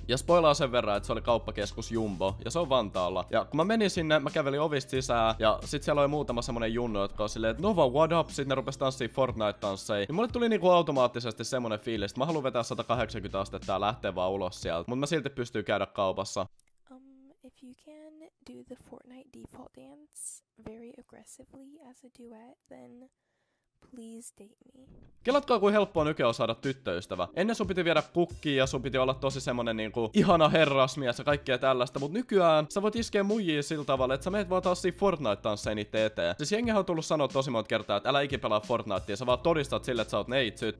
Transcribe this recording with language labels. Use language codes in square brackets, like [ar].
[fi] Ja spoilaan sen verran, että se oli kauppakeskus Jumbo. Ja se on Vantaalla. Ja kun mä menin sinne, mä kävelin ovista sisään. Ja sit siellä oli muutama semmonen junno, jotka on silleen, että Nova, [en] what up? [fi] Sit ne rupes tanssii Fortnite-tanssei. Ja mulle tuli niinku automaattisesti semmonen fiilis, että mä haluan vetää 180 astetta ja lähtee vaan ulos sieltä. Mut mä silti pystyy käydä kaupassa. [en] If you can do the Fortnite default dance very aggressively as a duet, then please date me. [fi] Kelatkaa, kuin helppoa nykyään on saada tyttöystävä. Ennen sun piti viedä kukkiin ja sun piti olla tosi semmonen niinku ihana herrasmies ja kaikkea tällaista, mut nykyään sä voit iskeä muijia sillä tavalla, että sä meet vaan taas siihen Fortnite-tansseen itte eteen. Siis jengihän on tullut sanoa tosi monta kertaa, että älä ikinä pelaa Fortnitea, sä vaan todistat sille, että sä oot neitsyt.